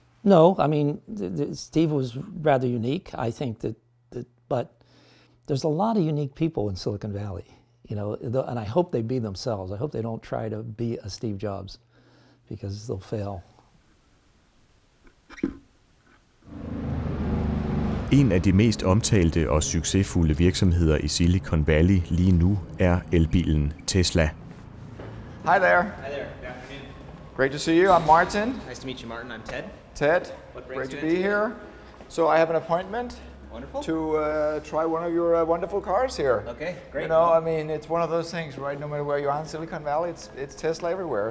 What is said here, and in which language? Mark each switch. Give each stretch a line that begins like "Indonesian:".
English: No, I mean, Steve was rather unique. I think but there's a lot of unique people in Silicon Valley, and I hope they be themselves. I hope they don't try to be a Steve Jobs because they'll fail.
Danish: En af de mest omtalte og succesfulde virksomheder i Silicon Valley lige nu er elbilen Tesla.
English: Hi there. Hi there. Good afternoon. Great to see you. I'm Martin. Nice to meet you, Martin. I'm Ted. Ted, great to be here. So I have an appointment. Wonderful. To try one of your wonderful cars here. Okay, great. You know, I mean, it's one of those things, right? No matter where you are in Silicon Valley, it's Tesla everywhere.